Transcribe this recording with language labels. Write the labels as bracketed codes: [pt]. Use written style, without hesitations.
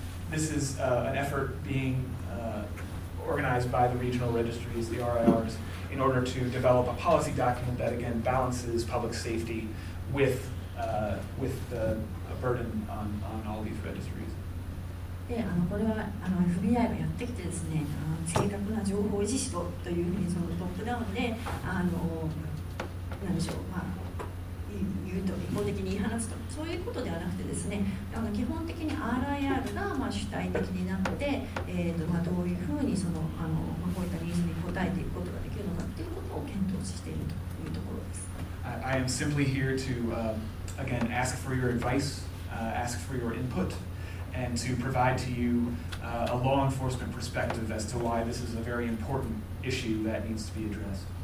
[en] This is an effort being organized by the regional registries, the RIRs, in order to develop a policy document that again balances public safety with a burden on all these registries. [ja] FBI やってきてですね、正確な情報維持しろというふうにそのトップダウンで、何でしょう、言うと一方的に言い放つと、そういうことではなくてですね、基本的に RIRが主体的になって、どういうふうにその、こういったニーズに応えていくことができるのかっていうことを検討しているというところです。 [en] I am simply here to, again, ask for your advice, ask for your input, and to provide to you a law enforcement perspective as to why this is a very important issue that needs to be addressed.